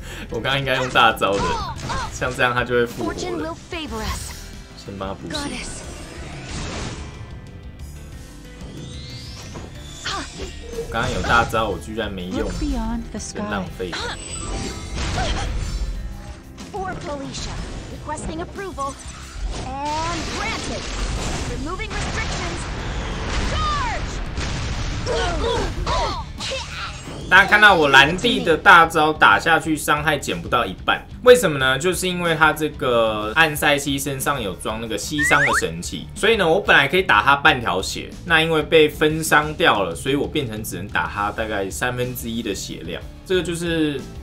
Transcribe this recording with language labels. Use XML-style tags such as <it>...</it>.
<zh>我刚应该用大招的，像这样他就会复活了。先帮他补血。我刚刚有大招，我居然没用，真浪费。</zh> <en>For Felicia, requesting approval and granted. Removing restrictions.</en> <zh>大家看到我蓝帝的大招打下去伤害减不到一半，为什么呢？就是因为他这个暗塞西身上有装那个吸伤的神器，所以呢我本来可以打他半条血，那因为被分伤掉了，所以我变成只能打他大概三分之一的血量，这个就是</zh>